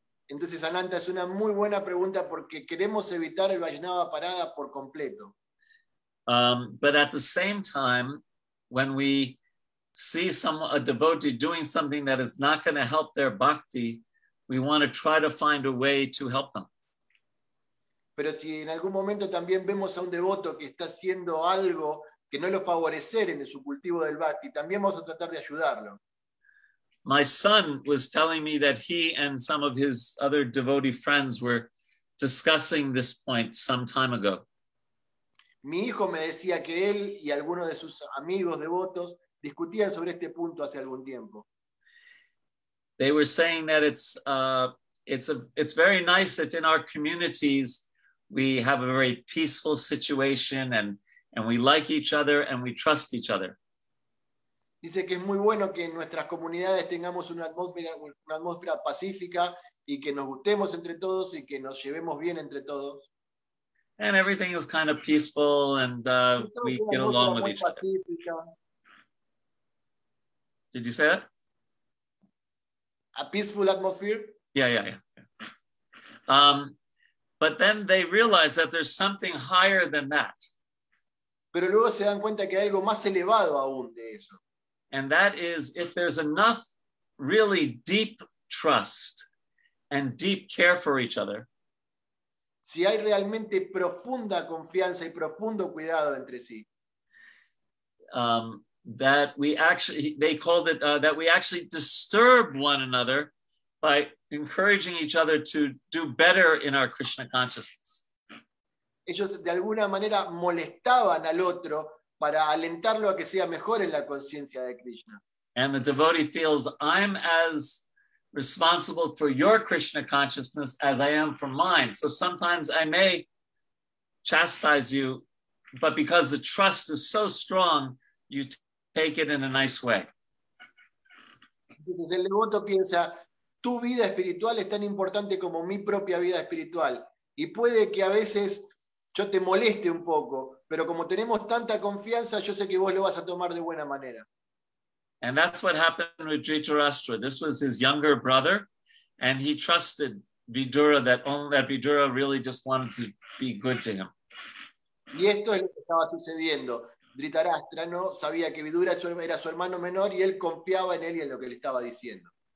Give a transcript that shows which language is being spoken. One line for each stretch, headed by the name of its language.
Spanish: Entonces, Ananta, es una muy buena pregunta porque queremos evitar el Vaishnava aparad por completo.
English: But at the same time, when we see a devotee doing something that is not going to help their bhakti, we want to try to find a way to help them.
Spanish: Pero si en algún momento también vemos a un devoto que está haciendo algo que no lo favorecer en su cultivo del bhakti, también vamos a tratar de ayudarlo.
English: My son was telling me that he and some of his other devotee friends were discussing this point some time ago.
Spanish: Mi hijo me decía que él y algunos de sus amigos devotos discutían sobre este punto hace algún tiempo.
English: They were saying that it's very nice if in our communities we have a very peaceful situation and we like each other and we trust each other.
Spanish: Dice que es muy bueno que en nuestras comunidades tengamos una atmósfera pacífica y que nos gustemos entre todos y que nos llevemos bien entre todos.
English: And everything is kind of peaceful and we get along with each other. Did you say that? A peaceful atmosphere? Yeah. But then they realize that there's something higher than that.
Spanish: Pero luego se dan cuenta que hay algo más elevado aún de eso.
English: And that is if there's enough really deep trust and deep care for each other.
Spanish: Si hay realmente profunda confianza y profundo cuidado entre sí.
English: That we actually disturb one another by encouraging each other to do better in our Krishna consciousness.
Spanish: Ellos de alguna manera molestaban al otro para alentarlo a que sea mejor en la conciencia de Krishna.
English: And the devotee feels, I'm as responsible for your Krishna consciousness as I am for mine. So sometimes I may chastise you, but because the trust is so strong, you take it in a nice way.
Spanish: Entonces el devoto piensa, tu vida espiritual es tan importante como mi propia vida espiritual. Y puede que a veces yo te moleste un poco, pero como tenemos tanta confianza, yo sé que vos lo vas a tomar de buena manera.
English: And that's what happened with Dhritarashtra. This was his younger brother, and he trusted Vidura that Vidura really just wanted to be good to him.
Spanish: Y esto es lo que estaba sucediendo. Dhritarashtra no sabía que Vidura era su hermano menor y él confiaba en él y en lo que le estaba diciendo.